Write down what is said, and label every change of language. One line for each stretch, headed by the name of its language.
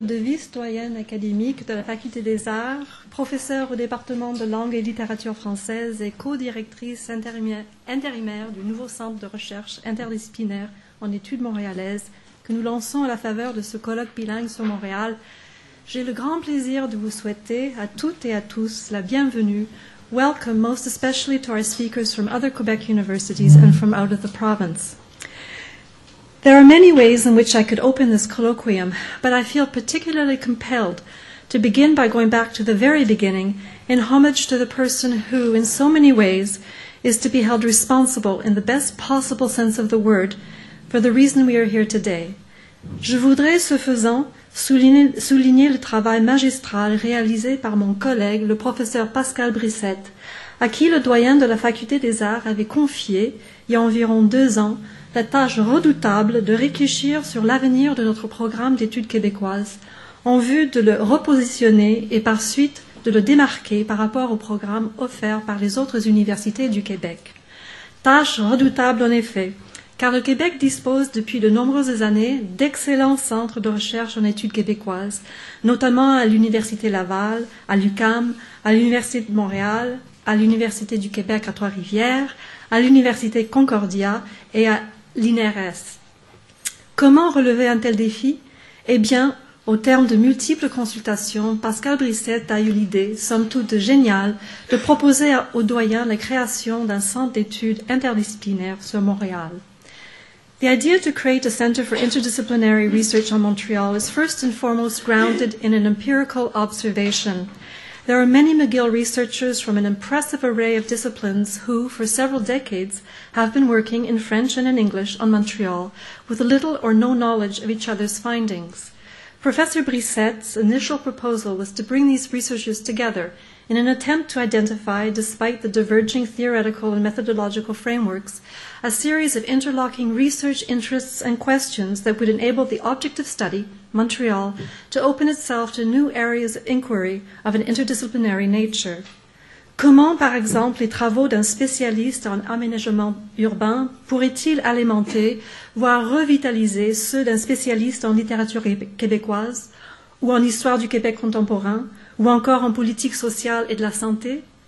French: de vie citoyenne académique de la Faculté des Arts, professeure au département de langue et littérature française et co-directrice intérimaire du nouveau centre de recherche interdisciplinaire en études montréalaises que nous lançons à la faveur de ce colloque bilingue sur Montréal. J'ai le grand plaisir de vous souhaiter à toutes et à tous la bienvenue.
English: Welcome most especially to our speakers from other Quebec universities and from out of the province. There are many ways in which I could open this colloquium, but I feel particularly compelled to begin by going back to the very beginning in homage to the person who, in so many ways, is to be held responsible in the best possible sense of the word for the reason we are here today.
French: Je voudrais, ce faisant, souligner le travail magistral réalisé par mon collègue, le professeur Pascal Brissette, à qui le doyen de la Faculté des Arts avait confié, il y a environ 2 ans, la tâche redoutable de réfléchir sur l'avenir de notre programme d'études québécoises en vue de le repositionner et par suite de le démarquer par rapport au programme offert par les autres universités du Québec. Tâche redoutable en effet, car le Québec dispose depuis de nombreuses années d'excellents centres de recherche en études québécoises, notamment à l'Université Laval, à l'UQAM, à l'Université de Montréal, à l'Université du Québec à Trois-Rivières, à l'Université Concordia et à l'INRS. Comment relever un tel défi? Eh bien, au terme de multiples consultations, Pascal Brissette a eu l'idée, somme toute géniale, de proposer au doyen la création d'un centre d'études interdisciplinaires sur Montréal.
English: The idea to create a Center for Interdisciplinary Research on Montreal is first and foremost grounded in an empirical observation. There are many McGill researchers from an impressive array of disciplines who, for several decades, have been working in French and in English on Montreal with little or no knowledge of each other's findings. Professor Brissette's initial proposal was to bring these researchers together in an attempt to identify, despite the diverging theoretical and methodological frameworks, a series of interlocking research interests and questions that would enable the object of study, Montreal, to open itself to new areas of inquiry of an interdisciplinary nature.
French: Comment, par exemple, les travaux d'un spécialiste en aménagement urbain pourraient-ils alimenter, voire revitaliser ceux d'un spécialiste en littérature québécoise ou en histoire du Québec contemporain, ou encore en politique sociale et de la santé?